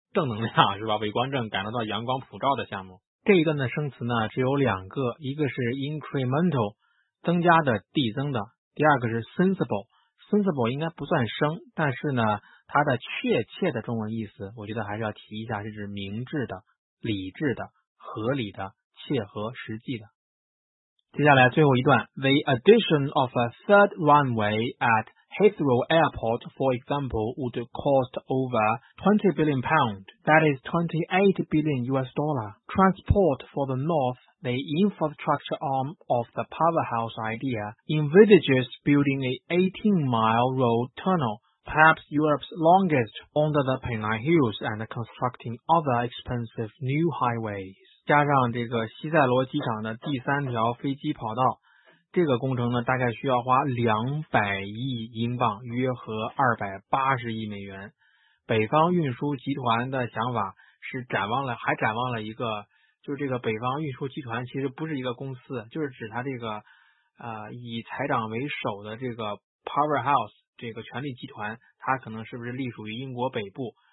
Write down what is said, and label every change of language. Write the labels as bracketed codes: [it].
[zh] 正能量是吧，伟光正，感受到阳光普照的项目。这一段的生词呢只有两个，一个是 incremental， 增加的、递增的，第二个是 sensible。 sensible 应该不算生，但是呢它的确切的中文意思我觉得还是要提一下，是指明智的、理智的、合理的、切合实际的。接下来最后一段， [en] The addition of a third runway at Heathrow Airport, for example, would cost over £20 billion, that is $28 billion. Transport for the north, the infrastructure arm of the powerhouse idea, envisages building an 18-mile road tunnel, perhaps Europe's longest, under the Pennine Hills and constructing other expensive new highways. [zh] 加上这个西塞罗机场的第三条飞机跑道，这个工程呢大概需要花200亿英镑，约合280亿美元。北方运输集团的想法是展望了一个，就是这个北方运输集团其实不是一个公司，就是指它这个以财长为首的这个 powerhouse 这个权力集团，它可能是不是隶属于英国北部。